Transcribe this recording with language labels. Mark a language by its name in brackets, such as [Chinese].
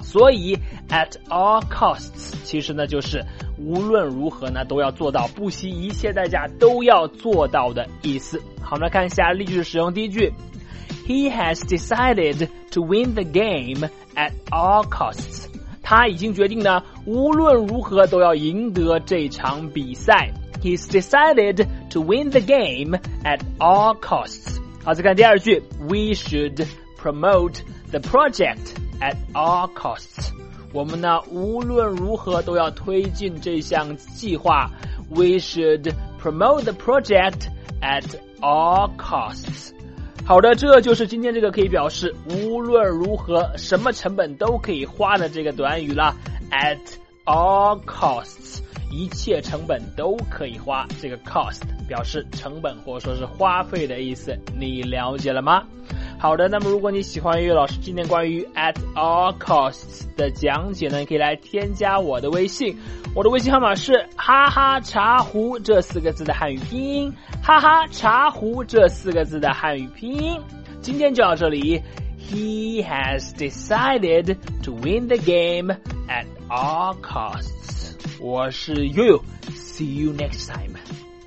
[Chinese] 所以 [English] at all costs [Chinese] 其实呢就是无论如何呢都要做到，不惜一切代价都要做到的意思。好，我们来看一下例句使用。第一句， [English] He has decided to win the game at all costs. [Chinese] 他已经决定呢，无论如何都要赢得这场比赛。 [English] He's decided to win the game at all costs. [Chinese] 好，再看第二句， [English] We should promote the project at all costs. [Chinese] 我们呢，无论如何都要推进这项计划。 [English] We should promote the project at all costs. [Chinese] 好的，这就是今天这个可以表示无论如何什么成本都可以花的这个短语了， [English] at all costs， [Chinese] 一切成本都可以花，这个 cost 表示成本或者说是花费的意思，你了解了吗？好的，那么如果你喜欢悠悠老师今天关于 [English] at all costs [Chinese] 的讲解呢，可以来添加我的微信，我的微信号码是哈哈茶壶这四个字的汉语拼音，哈哈茶壶这四个字的汉语拼音。今天就到这里， [English] He has decided to win the game at all costs， [Chinese] 我是悠悠， [English] See you next time。